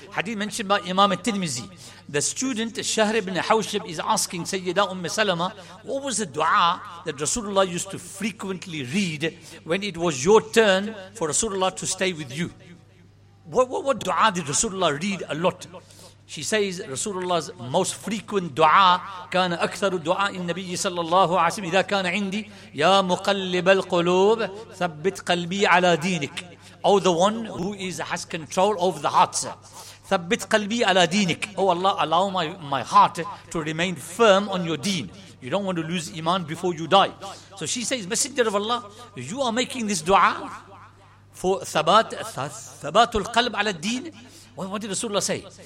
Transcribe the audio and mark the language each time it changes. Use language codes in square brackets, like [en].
[en] Hadith mentioned by Imam al-Tirmizi. The student, Shahr ibn Hawshib, is asking Sayyida Ummu Salama, what was the dua that Rasulullah used to frequently read when it was your turn for Rasulullah to stay with you? What dua did Rasulullah read a lot? She says, Rasulullah's most frequent dua, [ar] كان أكثر دعاء النبي صلى الله عليه وسلم إذا كان عندي يا مقلب القلوب ثبت قلبي على دينك. [en] Oh, the one who has control over the hearts. [ar] ثبت قلبي على دينك. [en] Oh Allah, allow my heart to remain firm on your deen. You don't want to lose iman before you die. So she says, Messenger of Allah, you are making this dua for [ar] ثبات القلب على الدين. [en] What did Rasulullah say?